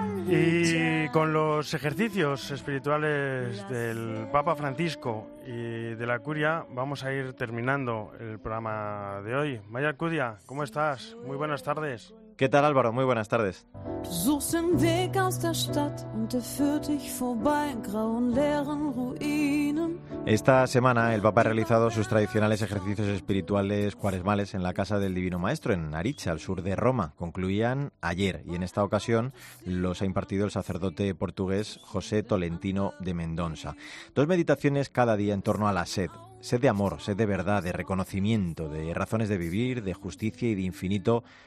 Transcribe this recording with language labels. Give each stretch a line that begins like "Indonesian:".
Spanish: Y con los ejercicios espirituales del Papa Francisco y de la Curia vamos a ir terminando el programa de hoy. Maya Alcudia, ¿cómo estás? Muy buenas tardes. ¿Qué tal, Álvaro? Muy buenas tardes.
German: Du suchst den Weg aus der Stadt und er führt dich vorbei grauen leeren Ruinen.
Spanish: Esta semana el Papa ha realizado sus tradicionales ejercicios espirituales cuaresmales en la Casa del Divino Maestro, en Ariccia, al sur de Roma. Concluían ayer y en esta ocasión los ha impartido el sacerdote portugués José Tolentino de Mendonça. Dos meditaciones cada día en torno a la sed. Sed de amor, sed de verdad, de reconocimiento, de razones de vivir, de justicia y de infinito.